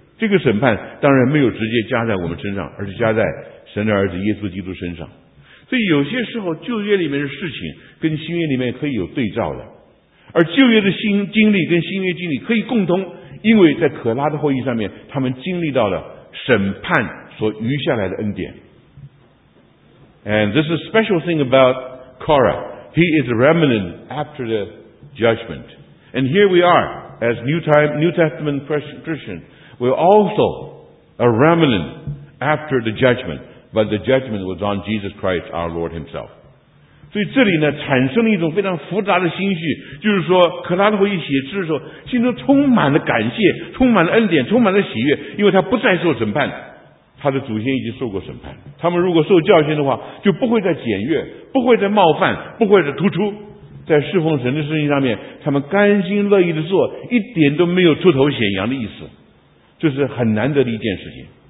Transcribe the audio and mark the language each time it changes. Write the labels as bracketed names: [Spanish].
[Chinese] 这个审判当然没有直接加在我们身上，而是加在神的儿子耶稣基督身上。所以有些时候旧约里面的事情跟新约里面可以有对照的，而旧约的新经历跟新约经历可以共通，因为在可拉的后裔上面他们经历到了审判所余下来的恩典。 [English] And this is a special thing about Korah. He is a remnant after the judgment. And here we are as New Testament Christian. We're also a remnant after the judgment. But the judgment was on Jesus Christ our Lord himself. [Chinese] 所以这里呢产生了一种非常复杂的心绪，就是说可拉的后裔写诗的时候心中充满了感谢，充满了恩典，充满了喜悦，因为他不再受审判，他的祖先已经受过审判，他们如果受教训的话就不会再检阅，不会再冒犯，不会再突出，在侍奉神的事情上面他们甘心乐意的做，一点都没有出头显扬的意思，就是很难得的一件事情。